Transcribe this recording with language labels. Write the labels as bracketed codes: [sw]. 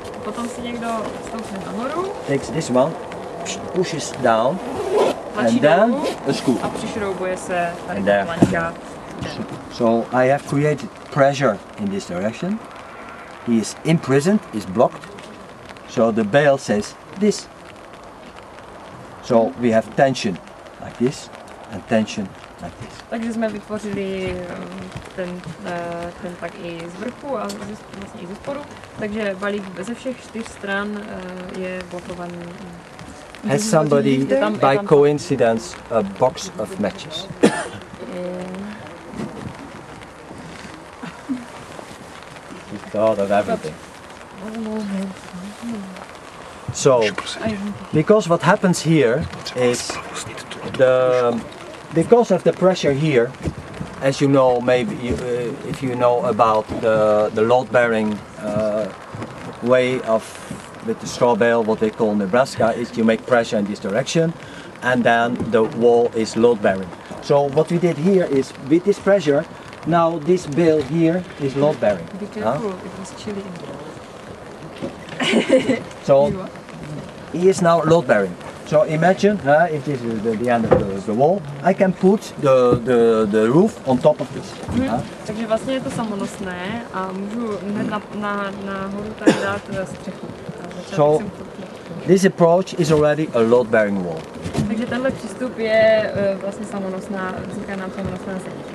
[cs] Potom si někdo stoupne nahoru. [en] Takes this one, pushes down. And then a scoop. [cs] A přišroubuje se tady planka. [en] So I have created pressure in this direction. He is imprisoned, is blocked. So the bail says this. So we have tension like this and tension like this. [cs] Takže jsme vytvořili ten tak i z vrchu a vlastně i ze spodu. Takže balík ze všech čtyř stran je blokovaný. [en] Has somebody by coincidence a box of matches? He thought of everything. So, because what happens here is because of the pressure here, as you know, maybe if you know about the load-bearing way of with the straw bale, what they call Nebraska, is you make pressure in this direction, and then the wall is load-bearing. So what we did here is with this pressure, now this bale here is load-bearing. Be careful! Huh? It was chilly in the wall. So. He is now load bearing. So imagine, if this is the end of the wall, I can put the roof on top of this. [cs] Takže vlastně je to samonosné a můžu hned nahoru tady dát střechu. [en] So this approach is already a load bearing wall. [cs] Takže tenhle přístup je vlastně samonosná, vzniká nám samonosná zeď.